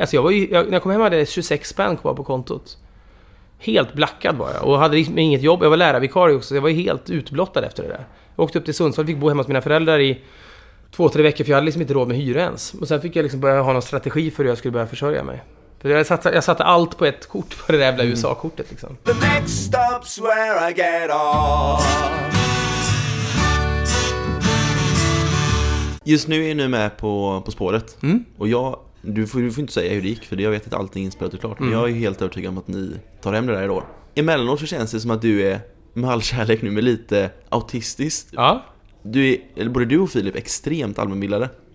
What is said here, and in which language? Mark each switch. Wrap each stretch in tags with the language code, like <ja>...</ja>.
<sv>Alltså när jag kom hem hade jag 26 spänn kvar på kontot. Helt blackad var jag. Och hade liksom inget jobb. Jag var lärarvikarie också. Så jag var helt utblottad efter det där. Jag åkte upp till Sundsvall. Fick bo hemma hos mina föräldrar i 2-3 veckor. För jag hade liksom inte råd med hyra ens. Och sen fick jag liksom börja ha någon strategi för hur jag skulle börja försörja mig. För jag satte allt på ett kort. På det där jävla USA-kortet liksom.</sv> <en>The next stop's where I get off.</en> <sv>Just nu är ni med på spåret. Mm. Och jag... Du får inte säga hur det gick, för jag vet att allting är inspelat och klart. Men jag är ju helt övertygad om att ni tar hem det där i år. Emellanåt så känns det som att du är, med all kärlek nu, med lite autistiskt. Ja. Du är, eller både du och Filip, extremt allmänbildade.</sv>